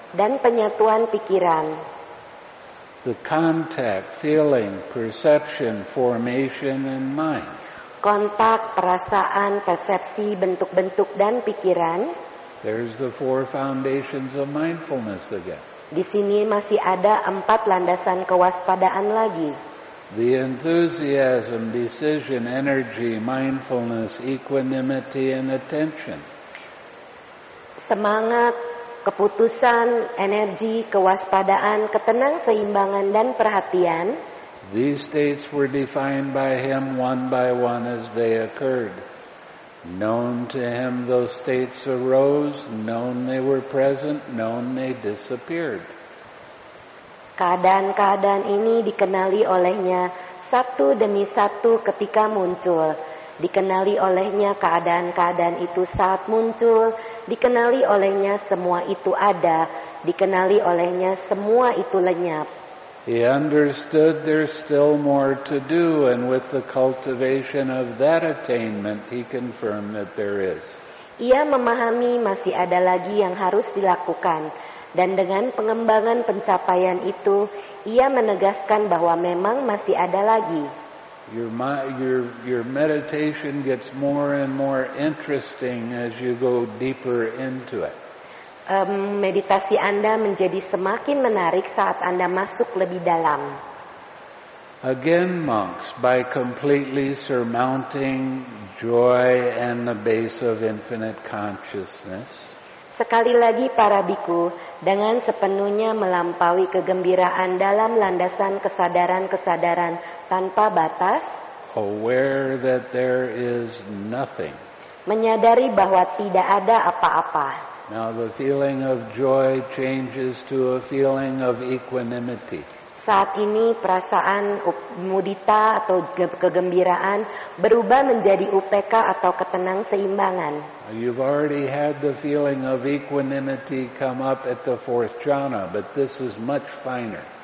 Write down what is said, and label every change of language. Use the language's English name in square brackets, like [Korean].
[Indonesian] Dan penyatuan pikiran. [English] The contact, feeling, perception, formation, and mind. [Indonesian] Kontak, perasaan, persepsi, bentuk-bentuk, dan pikiran. [English] There's the four foundations of mindfulness again. [Indonesian] Di sini masih ada empat landasan kewaspadaan lagi. [English] The enthusiasm, decision, energy, mindfulness, equanimity, and attention. [Indonesian] Semangat, keputusan, energi, kewaspadaan, ketenang, seimbangan, dan perhatian. [English] These states were defined by him one by one as they occurred. Known to him those states arose, known they were present, known they disappeared. [Indonesian] Keadaan-keadaan ini dikenali olehnya satu demi satu ketika muncul. Dikenali olehnya keadaan-keadaan itu saat muncul. Dikenali olehnya semua itu ada. Dikenali olehnya semua itu lenyap. [English] He understood there's still more to do, and with the cultivation of that attainment, he confirmed that there is. [Indonesian] Ia memahami masih ada lagi yang harus dilakukan, dan dengan pengembangan pencapaian itu, ia menegaskan bahwa memang masih ada lagi. [English] Your meditation gets more and more interesting as you go deeper into it. [Indonesian] Meditasi Anda menjadi semakin menarik saat Anda masuk lebih dalam. [English] Again, monks, by completely surmounting joy and the base of infinite consciousness. [Indonesian] Sekali lagi para bhikkhu, dengan sepenuhnya melampaui kegembiraan dalam landasan kesadaran-kesadaran tanpa batas. [English] Aware that there is nothing. [Indonesian] Menyadari bahwa tidak ada apa-apa. [English] Now the feeling of joy changes to a feeling of equanimity. [Indonesian] Saat ini perasaan mudita atau kegembiraan berubah menjadi upeka atau ketenang seimbangan. [English] You've already had the feeling of equanimity come up at the fourth jhana, but this is much finer.